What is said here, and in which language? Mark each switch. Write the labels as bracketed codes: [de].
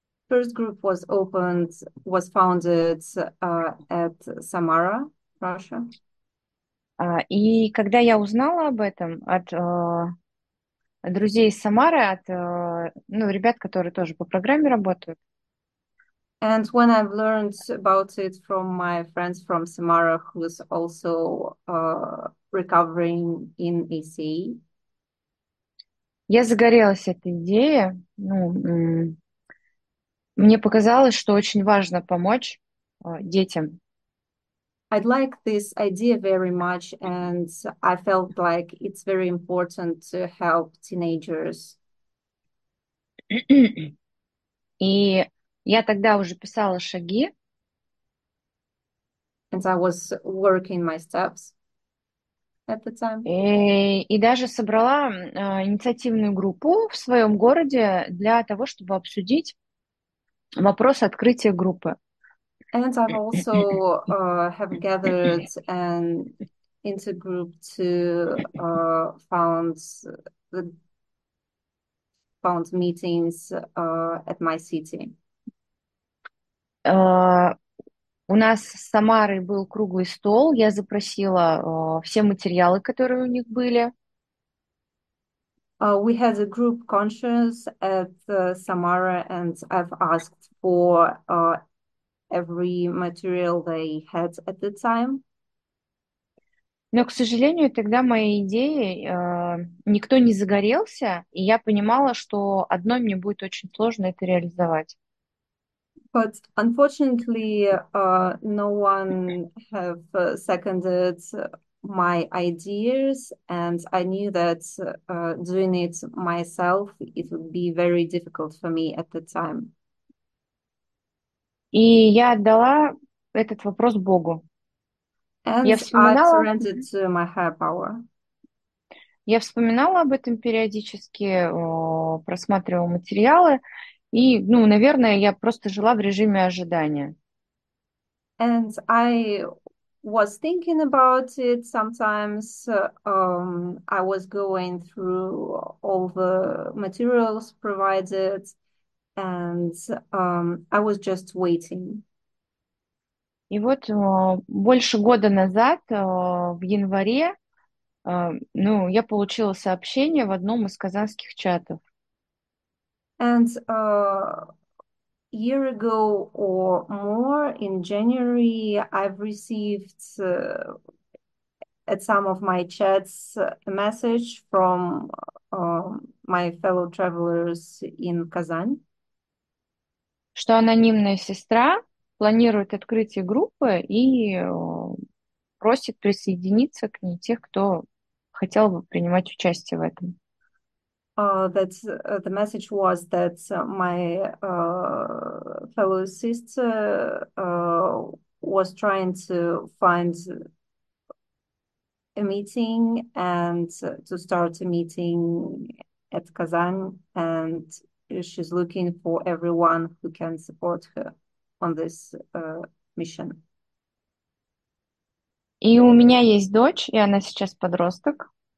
[en] First group was founded at Samara, Russia. [ru] И когда я узнала об этом от друзей из Самары, от ну, ребят, которые тоже по программе работают, [en] And when I've learned about it from my friends from Samara, who's also recovering in ACA. [ru] я загорелась этой идеей. Ну, мне показалось, что очень важно помочь детям. [en] I'd like this idea very much, and I felt like it's very important to help teenagers. [ru] И я тогда уже писала шаги. [en] And I was working my steps at the time. [ru] И даже собрала инициативную группу в своем городе для того, чтобы обсудить вопрос открытия группы. [en] And I've also have gathered an intergroup to found the found meetings at my city. [ru] У нас с Самарой был круглый стол. Я запросила все материалы, которые у них были. [en] We had a group conference at Samara, and I've asked for every material they had at the time. [ru] Но, к сожалению, тогда мои идеи никто не загорелся, и я понимала, что одно мне будет очень сложно это реализовать. [en] But unfortunately, no one have seconded my ideas, and I knew that doing it myself, it would be very difficult for me at the time. [ru] И я отдала этот вопрос Богу. [en] And I surrendered to my higher power. [ru] Я вспоминала об этом периодически, просматривала материалы, и, ну, наверное, я просто жила в режиме ожидания. [en] And I was thinking about it sometimes. I was going through all the materials provided, and I was just waiting. [ru] И вот больше года назад, в январе, ну, я получила сообщение в одном из казанских чатов. [en] And a year ago or more in January, I've received at some of my chats a message from my fellow travelers in Kazan. [ru] Что анонимная сестра планирует открытие группы и просит присоединиться к ней тех, кто хотел бы принимать участие в этом. [en] That the message was that my fellow sister was trying to find a meeting and to start a meeting at Kazan, and she's looking for everyone who can support her on this mission. [ru] И у меня есть дочь, и она сейчас подросток.